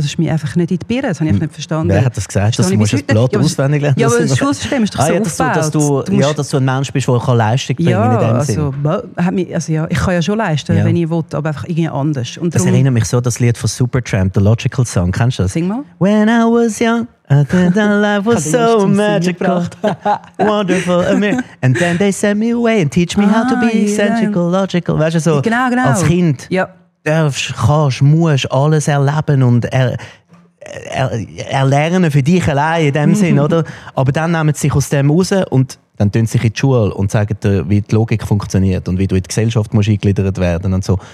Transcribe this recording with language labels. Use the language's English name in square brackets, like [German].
[German] Das ist mir einfach nicht in die Birne. Das habe ich nicht verstanden. Wer hat das gesagt, dass du ein Blatt auswendig lernen musst? Ja, aber das Schulsystem ist doch so aufgebaut. Dass du ein Mensch bist, der Leistung bringen kann. Ja, ich kann ja schon leisten, wenn ich will, aber einfach irgendwie anders. Und das darum, erinnert mich so an das Lied von Supertramp, The Logical Song. Kennst du das? Sing mal. [English] When I was young. And then the life was so magical, wonderful, amazing. And then they sent me away and teach me how to be eccentrical, logical. [German] Weißt du, so genau. Als Kind darfst, kannst, musst alles erleben und erlernen für dich allein in dem Sinn, oder? Aber dann nehmen sie sich aus dem raus und dann tun sie sich in die Schule und sagen dir, wie die Logik funktioniert und wie du in die Gesellschaft musst eingliedert werden und so.